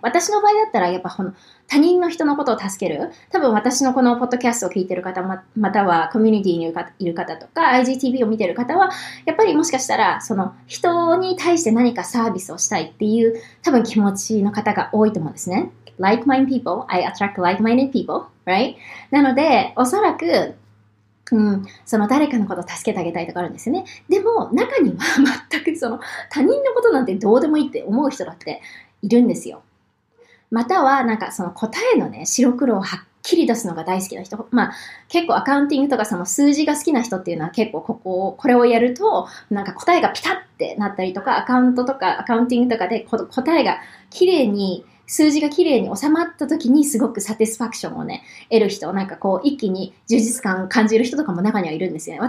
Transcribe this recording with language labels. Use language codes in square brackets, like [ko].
[ja] 私の場合だったら、やっぱこの他人の人のことを助ける、多分私のこのポッドキャストを聞いてる方、またはコミュニティにいる方とか、IGTV を見てる方は、やっぱりもしかしたら、その人に対して何かサービスをしたいっていう、多分気持ちの方が多いと思うんですね。 [en] Like-minded people, I attract like-minded people, right? [ja] なので、おそらく、その誰かのことを助けてあげたいとかあるんですよね。でも中には全くその他人のことなんてどうでもいいって思う人だっているんですよ。またはなんかその答えのね、白黒をはっきり出すのが大好きな人、まあ結構アカウンティングとかその数字が好きな人っていうのは結構これをやるとなんか答えがピタッてなったりとか、アカウントとかアカウンティングとかで答えが綺麗に、数字が綺麗に収まった時にすごくサティスファクションをね、得る人、なんかこう一気に充実感を感じる人とかも中にはいるんですよね。